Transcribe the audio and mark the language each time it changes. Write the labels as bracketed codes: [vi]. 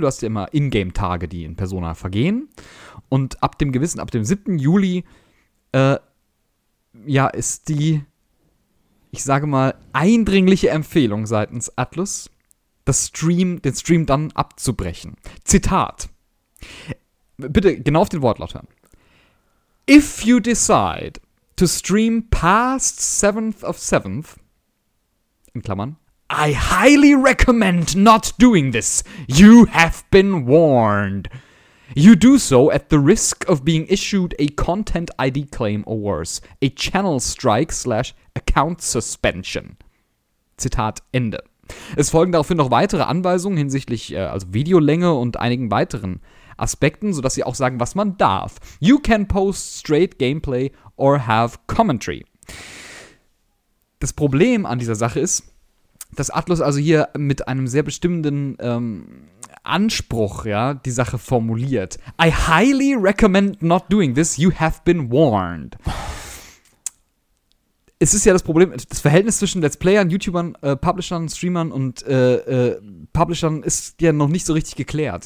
[de] Du hast ja immer Ingame-Tage, die in Persona vergehen. Und ab dem 7. Juli, ist die, ich sage mal, eindringliche Empfehlung seitens Atlus, den Stream dann abzubrechen. Zitat. Bitte genau auf den Wortlaut hören. [en] If you decide to stream past 7th, [de] in Klammern, [en] I highly recommend not doing this. You have been warned. You do so at the risk of being issued a content ID claim or worse, a channel strike / account suspension. [de] Zitat Ende. Es folgen daraufhin noch weitere Anweisungen hinsichtlich also Videolänge und einigen weiteren Aspekten, sodass sie auch sagen, was man darf. [en] You can post straight gameplay or have commentary. [de] Das Problem an dieser Sache ist, dass Atlus also hier mit einem sehr bestimmenden Anspruch, ja, die Sache formuliert. [en] I highly recommend not doing this. You have been warned. [de] Es ist ja das Problem, das Verhältnis zwischen Let's Playern, YouTubern, Publishern, Streamern und Publishern ist ja noch nicht so richtig geklärt.